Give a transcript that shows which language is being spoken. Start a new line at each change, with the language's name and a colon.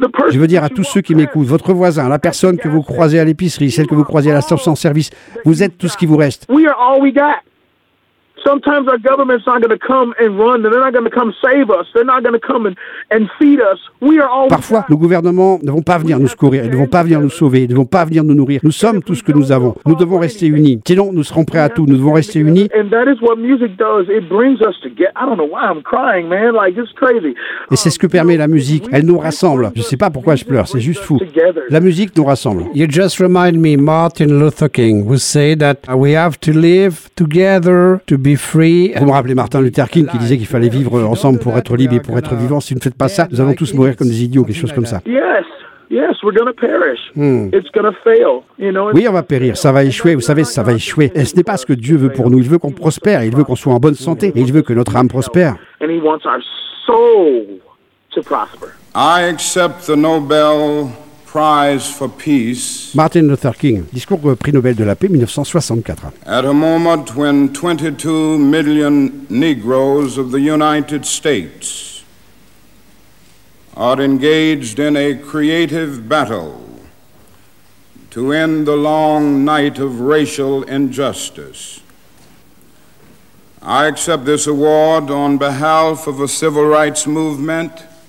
French: Je veux dire à tous ceux qui m'écoutent, votre voisin, la personne que vous croisez à l'épicerie, celle que vous croisez à la station de service, vous êtes tout ce qui vous reste.
English: We are all we got. Sometimes our government's not going to come and run. They're not going to come save us. They're not going to come and feed us. We are all.
French: Parfois, nos gouvernements ne vont pas venir nous secourir. Ils ne vont pas venir nous sauver. Ils ne vont pas venir nous nourrir. Nous sommes tout ce que nous avons. Nous devons rester unis. Sinon, nous serons prêts à tout. Nous devons rester unis.
English: And that is what music does. It brings us together. I don't know why I'm crying, man. Like it's crazy.
French: Et c'est ce que permet la musique. Elle nous rassemble. Je ne sais pas pourquoi je pleure. C'est juste fou. La musique nous rassemble.
English: You just remind me Martin Luther King, who said that we have to live together to be free.
French: Vous me rappelez Martin Luther King qui disait qu'il fallait vivre ensemble pour être libre et pour être vivant. Si vous ne faites pas ça, nous allons tous mourir comme des idiots, quelque chose comme ça.
English: Yes, we're gonna perish. It's gonna fail,
French: Oui, on va périr. Ça va échouer. Vous savez, ça va échouer. Et ce n'est pas ce que Dieu veut pour nous. Il veut qu'on prospère. Il veut qu'on soit en bonne santé. Et il veut que notre âme prospère.
English: And he wants our soul to prosper. I accept the Nobel Prize for Peace.
French: Martin Luther King, discours prix Nobel de la paix 1964.
English: At a moment when 22 million Negroes of the United States are engaged in a creative battle to end the long night of racial injustice, I accept this award on behalf of a civil rights movement